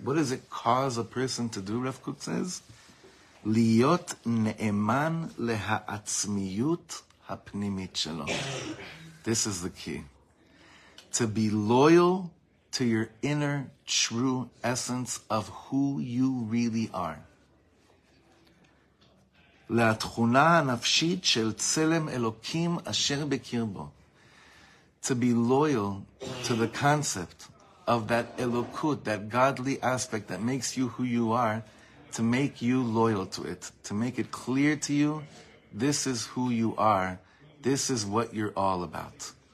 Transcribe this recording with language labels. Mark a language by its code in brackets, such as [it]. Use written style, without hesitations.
[en] What does it cause a person to do, Rav Kook says? [he] Liyot ne'eman leha'atzmiyut hapnimit shelo. [en] This is the key. To be loyal to your inner true essence of who you really are. [he] להתכונה הנפשית של צלם אלוקים אשר בקרבו. [en] To be loyal to the concept of that elokut, that godly aspect that makes you who you are, to make you loyal to it, to make it clear to you, this is who you are, this is what you're all about.